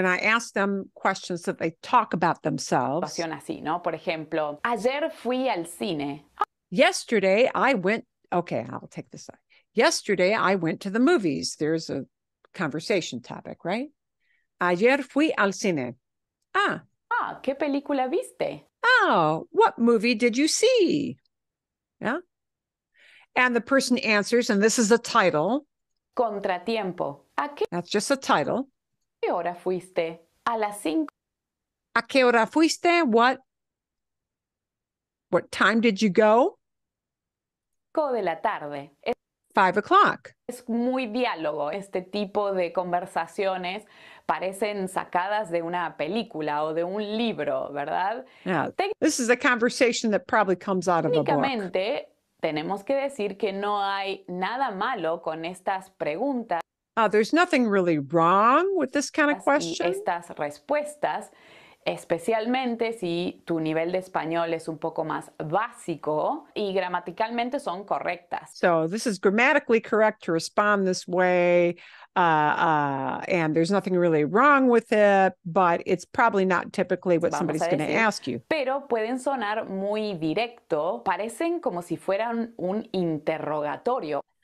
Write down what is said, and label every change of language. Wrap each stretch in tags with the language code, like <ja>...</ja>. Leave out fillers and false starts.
<en>When I ask them questions that they talk about themselves.</en> <es>Situación así, ¿no? Por ejemplo, ayer fui al cine.</es> <en>Yesterday I went. Okay, I'll take this side. Yesterday I went to the movies. There's a conversation topic, right?</en> <es>Ayer fui al cine.</es> <en>Ah.</en> <es>Ah, ¿qué película viste?</es> <en>Oh, what movie did you see? Yeah. And the person answers, and this is a title.</en> <es>Contratiempo. ¿A qué?</es> <en>That's just a title.</en> <es>¿Qué hora fuiste? A las cinco. ¿A qué hora fuiste?</es> <en>What? What time did you go?</en> <es>5 de la tarde.</es> <en>5 o'clock.</en> <es>Es muy diálogo. Este tipo de conversaciones parecen sacadas de una película o de un libro, ¿verdad?</es> <en>Yeah. This is a conversation that probably comes out of a book.</en> <es>Únicamente tenemos que decir que no hay nada malo con estas preguntas.</es> <en>There's nothing really wrong with this kind of question.</en> <es>Estas respuestas, especialmente si tu nivel de español es un poco más básico y gramaticalmente son correctas.</es> <en>So this is grammatically correct to respond this way, and there's nothing really wrong with it, but it's probably not typically what somebody's going to ask you.</en> <es>Pero pueden sonar muy directo, parecen como si fueran un interrogatorio.</es>